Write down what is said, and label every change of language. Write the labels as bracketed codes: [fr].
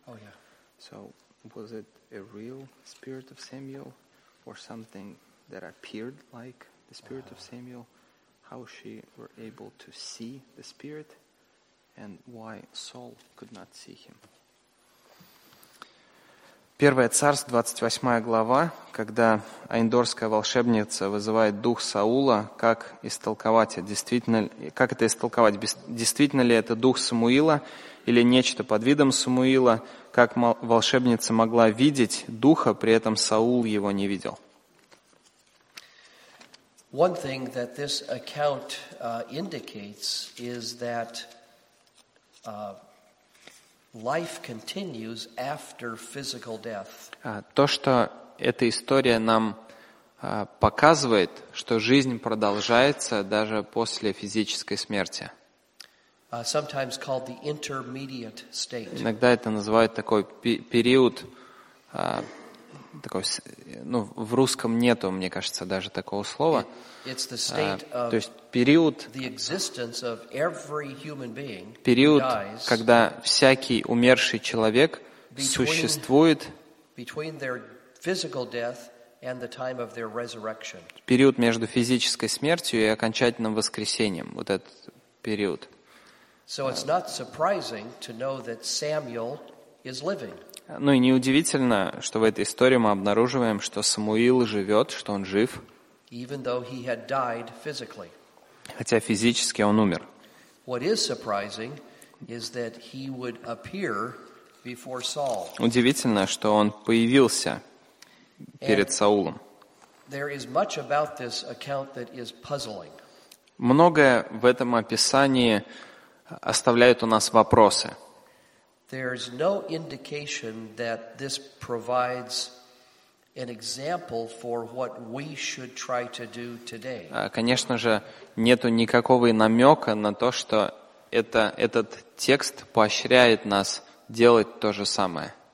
[en] Oh yeah. So was it a real spirit of Samuel, or something that appeared like the spirit of Samuel? How she were able to see the spirit, and why Saul could not see him? [ru] Первое царство, 28 глава, когда Айндорская волшебница вызывает дух Саула, как истолковать, действительно ли это дух Самуила или нечто под видом Самуила, как волшебница могла видеть духа, при этом Саул его не видел. [en] One thing that this account indicates is that life continues after physical death. [ru] То, что эта история нам показывает, что жизнь продолжается даже после физической смерти. [en] Sometimes called the intermediate state. [ru] Иногда это называют такой период, такой, ну, в русском нету, мне кажется, даже такого слова. [en] It's the state of [ru] то есть период, [en] the existence of every human being, [ru] период, [en] who dies, [ru] когда всякий умерший человек существует, [en] between their physical death and the time of their resurrection. [ru] Период между физической смертью и окончательным воскресением, вот этот период. [en] So it's not surprising to know that Samuel is living. [ru] Ну и неудивительно, что в этой истории мы обнаруживаем, что Самуил живет, что он жив. [en] Even though he had died physically. [ru] Хотя физически он умер. [en] What is surprising is that he would appear before Saul. [ru] Удивительно, что он появился перед Саулом. [en] There is much about this account that is puzzling. [ru] Многое в этом описании оставляет у нас вопросы. [en] There's no indication that this provides an example for what we should try to do today. [ru] Конечно же, нету никакого намека на то, что этот текст поощряет нас делать то же самое.